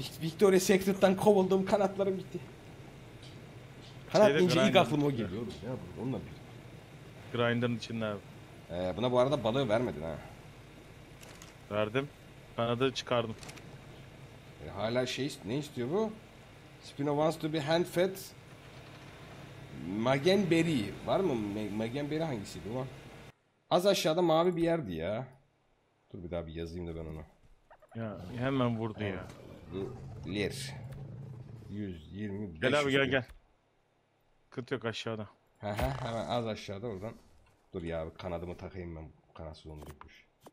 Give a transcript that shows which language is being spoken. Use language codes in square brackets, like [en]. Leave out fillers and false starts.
[tr] Victoria Secret'tan kovuldum, kanatlarım bitti. Kanat deyince ilk aklıma o geliyor. Ya bu onunla bir. Grinder'ın içinde abi. Buna bu arada balığı vermedin ha. Verdim. Kanadı çıkardım. Hala şey ne istiyor bu? [en] Spino wants to be hand fed Magenberry. [tr] Var mı? Magenberry hangisiydi ulan? Az aşağıda mavi bir yerdi ya. Dur bir daha bir yazayım da ben onu. Ya hemen vurdu ya. Lir. 125. Gel abi gel gel. Kıt yok aşağıda. Haha hemen az aşağıda oradan. Dur ya abi kanadımı takayım ben. Kanatsız olmuş.